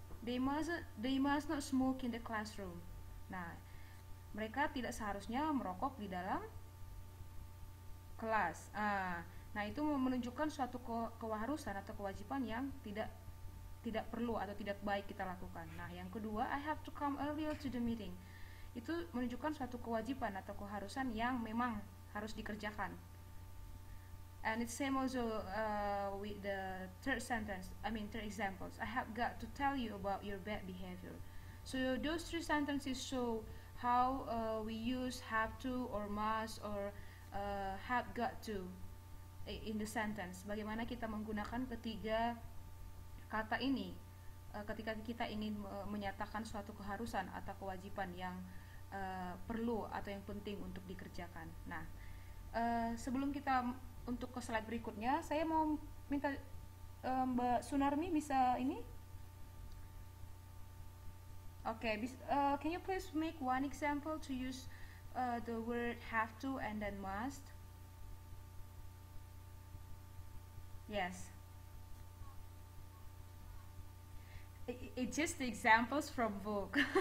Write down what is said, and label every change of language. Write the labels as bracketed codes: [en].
[en] They must not smoke in the classroom. [id] Nah, mereka tidak seharusnya merokok di dalam kelas. Nah, itu menunjukkan suatu keharusan atau kewajiban yang tidak perlu atau tidak baik kita lakukan. Nah, yang kedua, [en] I have to come earlier to the meeting. [id] Itu menunjukkan suatu kewajiban atau keharusan yang memang harus dikerjakan. [en] And it's same also with the third sentence, I mean third examples. I have got to tell you about your bad behavior. So those three sentences show how we use have to or must or have got to in the sentence. [id] Bagaimana kita menggunakan ketiga kata ini ketika kita ingin menyatakan suatu keharusan atau kewajiban yang perlu atau yang penting untuk dikerjakan. Nah, sebelum kita untuk ke slide berikutnya, saya mau minta Mbak Sunarmi bisa ini. [en] Okay, can you please make one example to use the word have to and then must? Yes. It's just the examples from book.